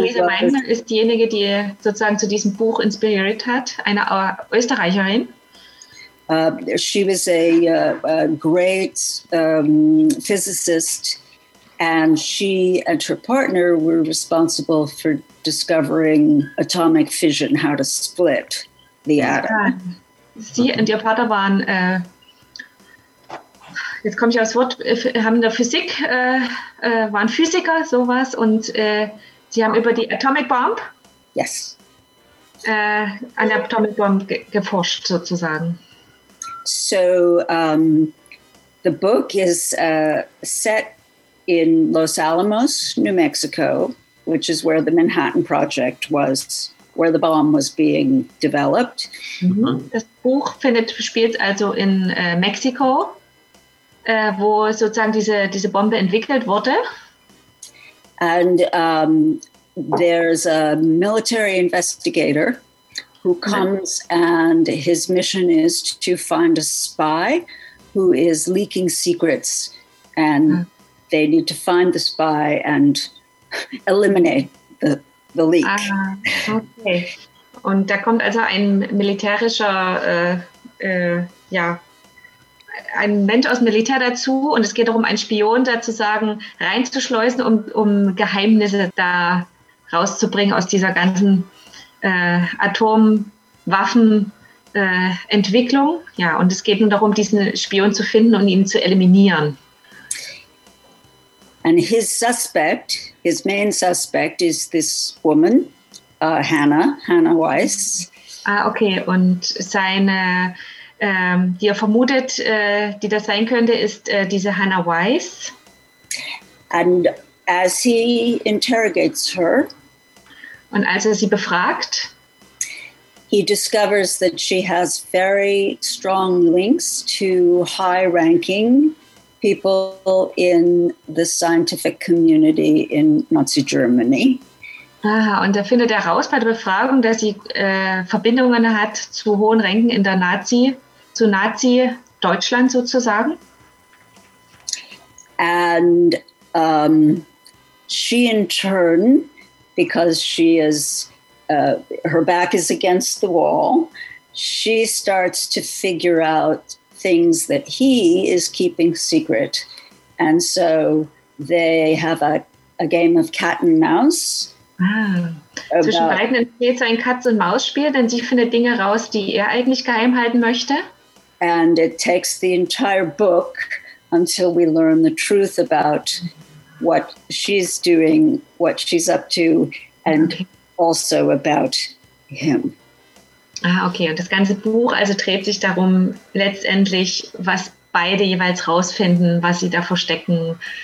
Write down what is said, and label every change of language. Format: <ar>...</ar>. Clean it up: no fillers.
<de>Lisa Meitner ist diejenige, die sozusagen zu diesem Buch inspiriert hat, eine Österreicherin.</de> <en>She was a great physicist, and she and her partner were responsible for discovering atomic fission, how to split the atom. Yeah.</en> <de>Sie und ihr Vater waren, jetzt komme ich aus Wort, haben in der Physik, waren Physiker, sowas, und sie haben über die Atomic Bomb?</de> <en>Yes.</en> <de>An der Atomic Bomb geforscht, sozusagen.</de> <en>So, the book is set in Los Alamos, New Mexico, which is where the Manhattan Project was, where the bomb was being developed.</en> <de>Das Buch findet spielt also in Mexiko, wo sozusagen diese Bombe entwickelt wurde.</de> <en>And there's a military investigator who comes, and his mission is to find a spy who is leaking secrets, and they need to find the spy and eliminate the leak. Ah, okay.</en> <de>Und da kommt also ein militärischer, ein Mensch aus dem Militär dazu, und es geht darum, einen Spion sozusagen reinzuschleusen, um Geheimnisse da rauszubringen aus dieser ganzen Atomwaffenentwicklung. Ja, und es geht nur darum, diesen Spion zu finden und ihn zu eliminieren.</de> <en>And his suspect, his main suspect, is this woman, Hannah Weiss. Ah, okay.</en> <de>Und seine, die er vermutet, die das sein könnte, ist diese Hannah Weiss.</de> <en>And as he interrogates her,</en> <de>und als er sie befragt,</de> <en>he discovers that she has very strong links to high-ranking people in the scientific community in Nazi Germany.</en> <de>Aha, und da findet er raus bei der Befragung, dass sie Verbindungen hat zu hohen Rängen in der Nazi, zu Nazi Deutschland sozusagen.</de> <en>And she in turn, because she is her back is against the wall, she starts to figure out things that he is keeping secret. And so they have a game of cat and mouse. Ah.</en> <de>Zwischen beiden entsteht so ein Katz- und Maus-Spiel, denn sie findet Dinge raus, die er eigentlich geheim halten möchte.</de> <en>And it takes the entire book until we learn the truth about what she's doing, what she's up to, and also about him. Ah, okay.</en> <de>Und das ganze Buch also dreht sich darum, letztendlich, was beide jeweils rausfinden, was sie da verstecken.</de>